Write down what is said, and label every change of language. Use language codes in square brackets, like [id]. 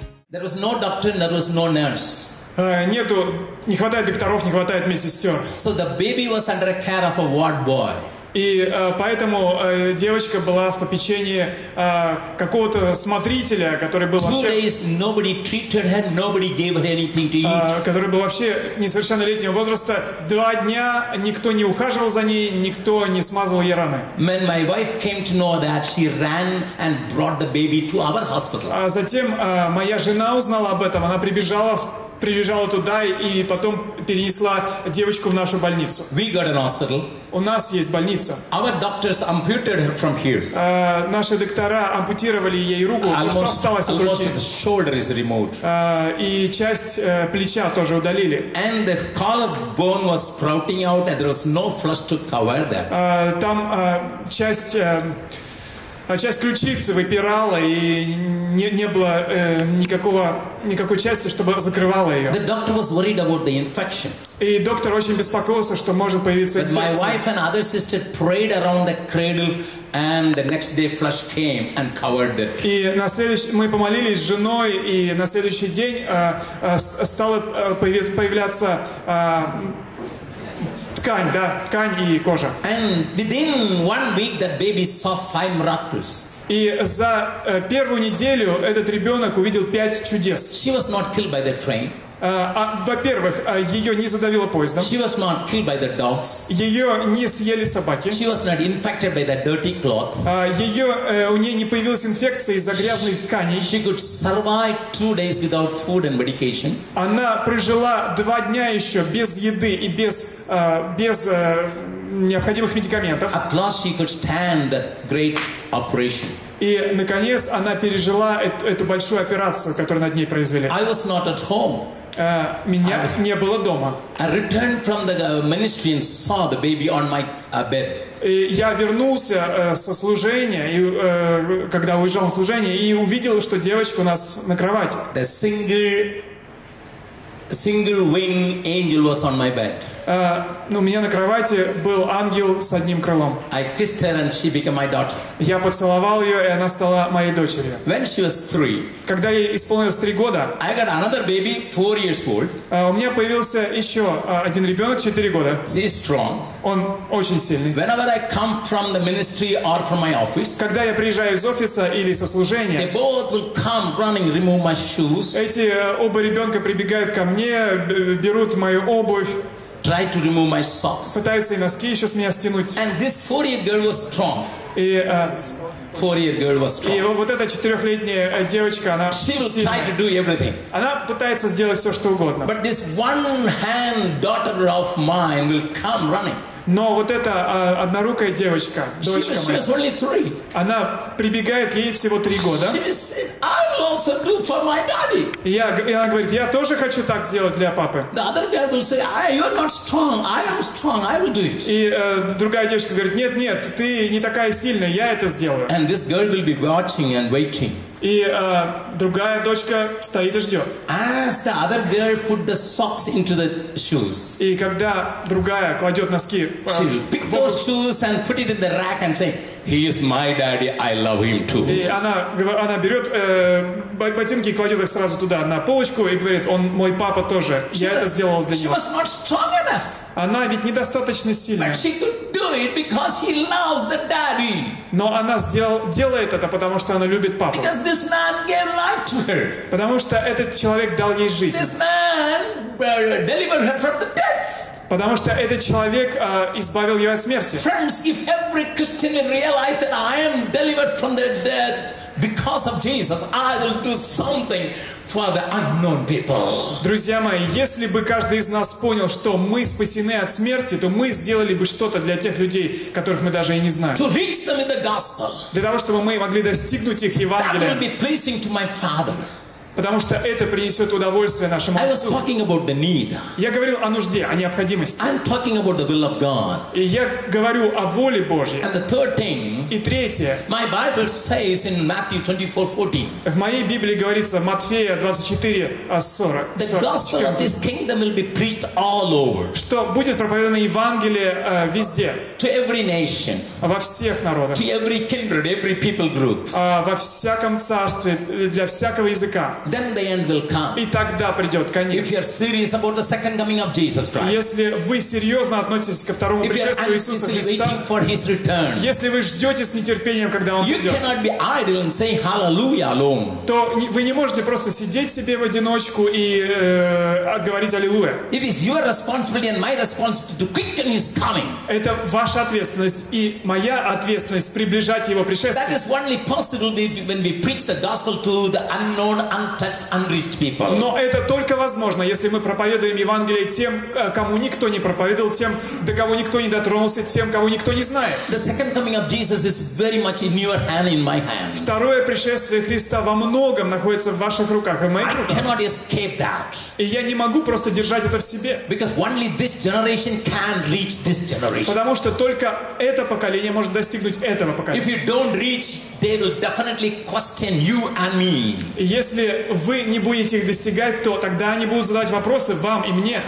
[en] There was no doctrine, there was no nurse. [ru] Не хватает докторов, не хватает медсестер. [en] So the baby was under care of a ward boy. [ru] И поэтому девочка была в попечении какого-то смотрителя, который был вообще... [en] Days, nobody treated her, nobody gave her anything to eat. [ru] Который был вообще несовершеннолетнего возраста. Два дня никто не ухаживал за ней, никто не смазывал ей раны. [en] When my wife came to know that, she ran and brought the baby to our hospital. [ru] А затем моя жена узнала об этом, она прибежала туда и потом перенесла девочку в нашу больницу. [en] We got an hospital. [ru] У нас есть больница. [en] Our doctors amputated her from here. [ru] Наши доктора ампутировали ей руку, что осталось от руки. [en] Shoulder is removed. [ru] И часть плеча тоже удалили. [en] And the collarbone was sprouting out, and there was no flesh to cover that. [ru] Там часть ключицы выпирала, и не было никакой части, чтобы закрывала ее. [en] The doctor was worried about the infection. [ru] И доктор очень беспокоился, что может появиться инфекция. [en] My wife and other sister prayed around the cradle, and the next day flesh came and covered it. [ru] И на следующий мы помолились с женой, и на следующий день стала появляться ткань, да, ткань и кожа. [en] And within 1 week the baby saw 5 miracles. [ru] И за первую неделю этот ребенок увидел 5 чудес. [en] She was not killed by the train. [ru] Во-первых, ее не задавило поездом. [en] She was not killed by the dogs. [ru] Ее не съели собаки. [en] She was not infected by the dirty cloth. [ru] У нее не появилась инфекция из-за грязной ткани. [en] She could survive 2 days without food and medication. [ru] Она прожила 2 дня еще без еды и без необходимых медикаментов. [en] At last she could stand that great operation. [ru] И, наконец, она пережила эту большую операцию, которую над ней произвели. [en] I was not at home. [ru] Меня не было дома. [en] I returned from the ministry and saw the baby on my bed. [ru] И я вернулся со служения, и, когда уезжал на служение, и увидел, что девочка у нас на кровати. [en] The single wing angel was on my bed. [ru] У меня на кровати был ангел с одним крылом. [en] I kissed her and she became my daughter. [ru] Я поцеловал ее, и она стала моей дочерью. [en] When she was 3, [ru] когда ей исполнилось 3 года, [en] I got another baby, 4 years old. [ru] У меня появился еще один ребенок, 4 года. [en] She is strong. [ru] Он очень сильный. [en] Whenever I come from the ministry or from my office, [ru] когда я приезжаю из офиса или со служения, [en] they both will come running, remove my shoes. [ru] Эти оба ребенка прибегают ко мне, берут мою обувь. [en] Try to remove my socks. [ru] Пытается и носки еще с меня стянуть. [en] And this 4-year girl was strong. [ru] И [en] four-year girl was strong. [ru] И вот эта 4-летняя девочка, она сильная. [en] She will try to do everything. [ru] Она пытается сделать все, что угодно. [en] But this one-hand daughter of mine will come running. [ru] Но вот эта однорукая девочка, дочка моя, [en] she was only 3. [ru] Она прибегает, ей всего 3 года. [en] She said, I will also do for my daddy. [ru] И она говорит, я тоже хочу так сделать для папы. [en] The other girl will say, you're not strong, I am strong, I will do it. [ru] И другая девочка говорит, нет, ты не такая сильная, я это сделаю. [en] And this girl will be watching and waiting. [ru] И другая дочка стоит и ждет. [en] As the other girl put the socks into the shoes. [ru] И когда другая кладет носки, [en] she pick those shoes and put it in the rack and say, "He is my daddy. I love him too." [ru] И она берет ботинки и кладет их сразу туда на полочку и говорит, "Он мой папа тоже. Я это сделала для него." [en] She was not strong enough. [ru] Она ведь недостаточно сильная. [en] But she could do it because he loves the daddy. [ru] Но она делает это, потому что она любит папу. [en] Because this man gave life to her. [ru] Потому что этот человек дал ей жизнь. [en] This man delivered her from the death. [ru] Потому что этот человек избавил ее от смерти. [en] Friends, if every Christian realized that I am delivered from the dead because of Jesus, I will do something. For the unknown people. [ru] Друзья мои, если бы каждый из нас понял, что мы спасены от смерти, то мы сделали бы что-то для тех людей, которых мы даже и не знаем. [en] To reach them in the gospel. [ru] Для того, чтобы мы могли достигнуть их Евангелием. [en] That will be pleasing to my Father. [ru] Потому что это принесет удовольствие нашему Отцу. [en] I was talking about the need. [ru] Я говорил о нужде, о необходимости. [en] I'm talking about the will of God. [ru] И я говорю о воле Божьей. [en] And the third thing, [ru] и третье. [en] My Bible says in Matthew 24:14. [ru] В моей Библии говорится, Матфея 24:40. [en] The gospel of this kingdom will be preached all over. [ru] Что будет проповедано Евангелие везде. [en] To every nation. [ru] Во всех народах. [en] To every kindred, every people group. [ru] Во всяком царстве, для всякого языка. [en] then the end will come. [ru] И тогда придет конец. [en] If you are serious about the second coming of Jesus Christ. [ru] Если вы серьезно относитесь ко второму пришествию Иисуса Христа. [en] If you are waiting for His return. [ru] Если вы ждете с нетерпением, когда Он придет. [en] You cannot be idle and say hallelujah alone. [ru] То вы не можете просто сидеть себе в одиночку и говорить аллилуйя. [en] It is your responsibility and my responsibility to quicken His coming. [ru] Это ваша ответственность и моя ответственность приближать Его пришествие. [en] That is only possible when we preach the gospel to the unknown, untouched, unreached people. [ru] Но это только возможно, если мы проповедуем Евангелие тем, кому никто не проповедовал, тем, до кого никто не дотронулся, тем, кого никто не знает. [en] The second coming of Jesus is very much in your hand, in my hand. [ru] Второе пришествие Христа во многом находится в ваших руках и в моих руках. [en] I cannot escape that. [ru] И я не могу просто держать это в себе. [en] Because only this generation can reach this generation. [ru] Потому что только это поколение может достигнуть этого поколения. [en] If you don't reach, they will definitely question you and me. [ru] Если вы не будете их достигать, то тогда они будут задавать вопросы вам и мне.